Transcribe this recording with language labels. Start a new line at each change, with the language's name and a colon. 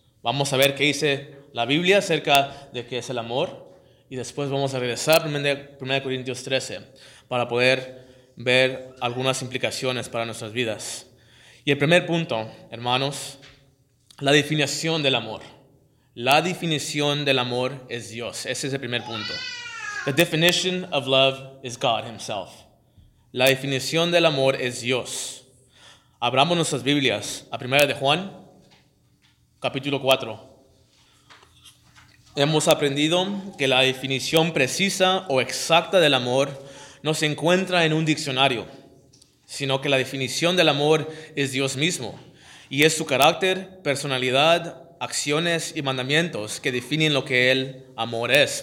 Spanish: Vamos a ver qué dice la Biblia acerca de qué es el amor, y después vamos a regresar a 1 Corintios 13 para poder ver algunas implicaciones para nuestras vidas. Y el primer punto, hermanos, la definición del amor. La definición del amor es Dios. Ese es el primer punto.
English: The definition of love is God himself.
Spanish: La definición del amor es Dios. Abramos nuestras Biblias a 1 de Juan, capítulo 4. Hemos aprendido que la definición precisa o exacta del amor no se encuentra en un diccionario, sino que la definición del amor es Dios mismo, y es su carácter, personalidad, acciones y mandamientos que definen lo que el amor es.